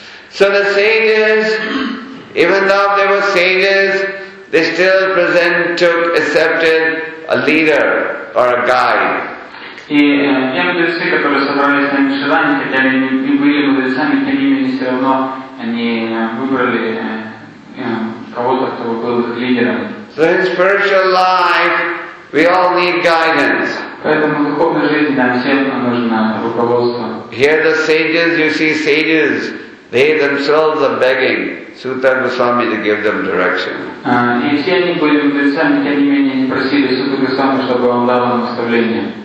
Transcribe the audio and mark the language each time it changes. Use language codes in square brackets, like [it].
[en] So the sages, even though they were sages, they still accepted a leader or a guide. [ru] И те мудрецы, которые собрались на Мишаране, хотя они не были мудрецами, тем не менее, все равно они выбрали кого-то, кто был их лидером. [en] So in spiritual life, we all need guidance. [ru] Поэтому в духовной жизни нам всем нужно руководство. [en] Here the sages, you see sages, they themselves are begging Sutta Goswami to give them direction. [ru] И все они были мудрецами, тем не менее, они просили Сутта Госвами, чтобы он дал им наставление.